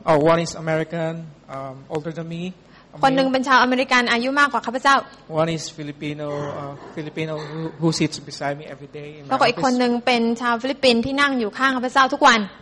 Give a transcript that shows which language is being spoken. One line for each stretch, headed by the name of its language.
English: one is American, older than me.
Thai: คนหนึ่งเป็นชาวอเมริกันอายุมากกว่าข้าพเจ้า
English: One is Filipino Filipino who sits beside me every day
Thai: แล้วก็อีกคนนึงเป็นชาวฟิลิปปินส์ที่นั่งอยู่ข้างข้าพเจ้าทุกวัน